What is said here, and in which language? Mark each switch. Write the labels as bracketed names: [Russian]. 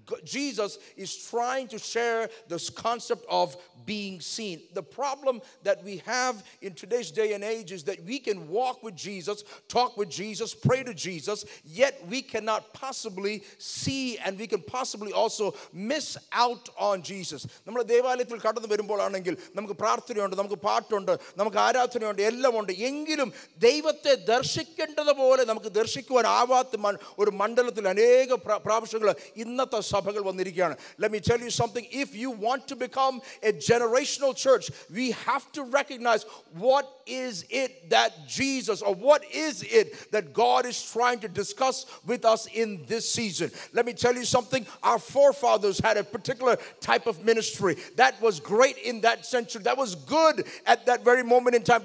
[English] Jesus is trying to share this concept of being seen. The problem that we have in today's day and age is that we can walk with Jesus, talk with Jesus, pray to Jesus, yet we cannot possibly see, and we can possibly also miss out on Jesus. [Malayalam] നമ്മുടെ ദൈവാലയത്തിൽ കടന്നു വരുമ്പോഴാണെങ്കിൽ നമുക്ക് പ്രാർത്ഥനയുണ്ട്, നമുക്ക് പാട്ടുണ്ട്, നമുക്ക് ആരാധനയുണ്ട്, എല്ലാം ഉണ്ട്. എങ്കിലും ദൈവത്തെ ദർശിക്കേണ്ടതുപോലെ നമുക്ക് ദർശിക്കുവാൻ ആവാത്ത ഒരു മണ്ഡലത്തിൽ അനേക പ്രാവശ്യങ്ങൾ ഇന്നത്തെ സഭകൾ വന്നിരിക്കുകയാണ്. [English] Let me tell you something. If you want to become a generational church, we have to recognize what is it that Jesus, or what is it that God is trying to discuss with us in this season. Let me tell you something. Our forefathers had a particular type of ministry that was great in that century, that was good at that very moment in time.